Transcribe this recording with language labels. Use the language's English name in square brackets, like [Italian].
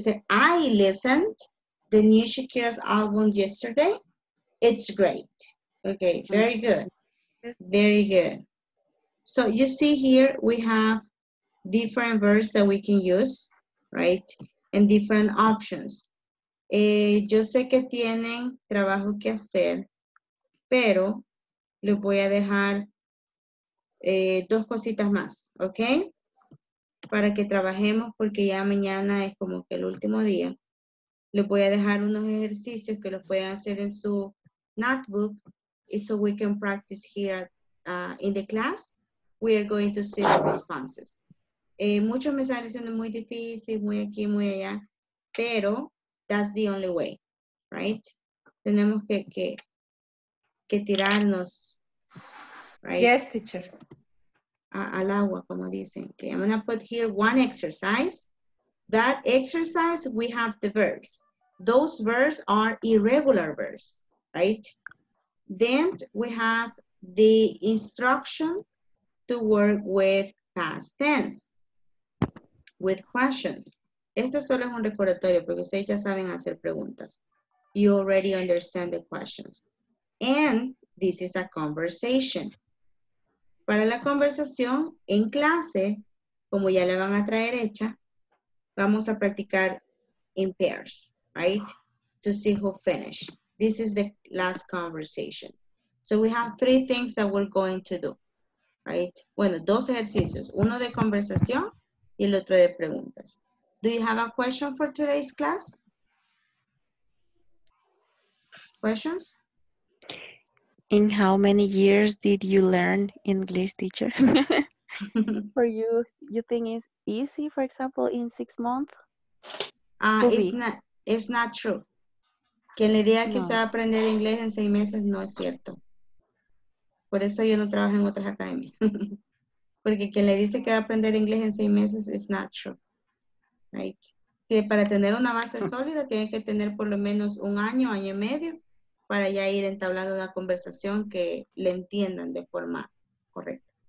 [English] I listened the new Shakira's album yesterday. It's great. Okay, very good. Very good. So you see here, we have different verbs that we can use, right? And different options. [Spanish] Yo sé que tienen trabajo que hacer, pero les voy a dejar 2 cositas más, okay? Para que trabajemos, porque ya mañana es como que el último día. Les voy a dejar unos ejercicios que los pueden hacer en su notebook, y [English] so we can practice here in the class. We are going to see the responses. [Spanish] Muchos me están diciendo muy difícil, muy aquí, muy allá, pero [English] that's the only way, right? [Spanish] Tenemos que tirarnos, right? [English] Yes, teacher. [Spanish] Al agua, como dicen. [English] Okay, I'm gonna put here 1 exercise. That exercise, we have the verbs. Those verbs are irregular verbs, right? Then we have the instruction to work with past tense, with questions. [Spanish] Este solo es un recordatorio porque ustedes ya saben hacer preguntas. [English] You already understand the questions. And this is a conversation. [Spanish] Para la conversación en clase, como ya la van a traer hecha, vamos a practicar [English] in pairs, [Spanish] right? [English] To see who finish. This is the last conversation. So we have 3 things that we're going to do, right? [Spanish] Bueno, 2 ejercicios. Uno de conversación y el otro de preguntas. [English] Do you have a question for today's class? Questions? In how many years did you learn English, teacher? For you, you think it's easy, for example, in 6 months? It's not true. [Spanish] Quien le diga que se va a aprender inglés en 6 meses, no es cierto. Por eso yo no trabajo en otras academias. Porque quien le dice que va a aprender inglés en 6 meses, [English] it's not true. [Spanish] Right? Que para tener una base sólida, tiene que tener por lo menos 1 año, 1 año y medio, para ya ir entablando una conversación que le entiendan de forma correcta.